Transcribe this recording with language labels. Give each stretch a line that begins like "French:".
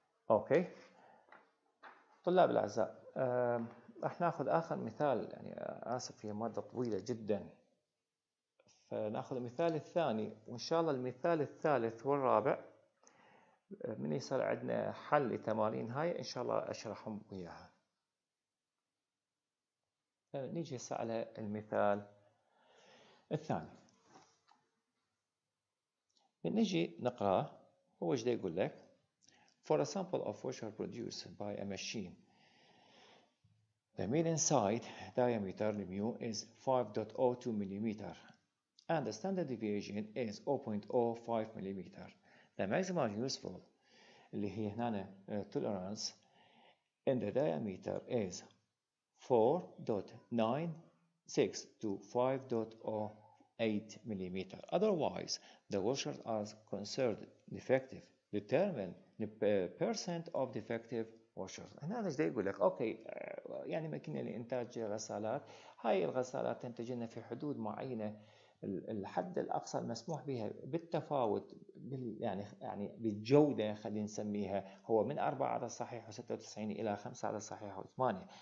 Arabic: أوكي طلاب الأعزاء، راح نأخذ آخر مثال، يعني آسف هي مادة طويلة جدا، فنأخذ المثال الثاني وإن شاء الله المثال الثالث والرابع من يصير عندنا حل لتمارين هاي إن شاء الله أشرحهم وياها. نيجي على المثال الثاني، نيجي نقرأ هو إيش يقول لك.
English: For a sample of washer produced by a machine, the mean inside diameter mu is 5.02 mm and the standard deviation is 0.05 mm. The maximum useful
Arabic: اللي هي هنا
English: tolerance in the diameter is 4.96 to 5.08 mm. Otherwise, the washers are considered defective. Determine the percent of defective washers.
Arabic: هنا ايش يقول لك؟ اوكي يعني ماكينه لانتاج غسالات، هاي الغسالات تنتج لنا في حدود معينه الحد الاقصى المسموح بها بالتفاوت يعني بالجوده، خلينا نسميها هو من 4 على الصحيح و96 الى 5 على الصحيح و8.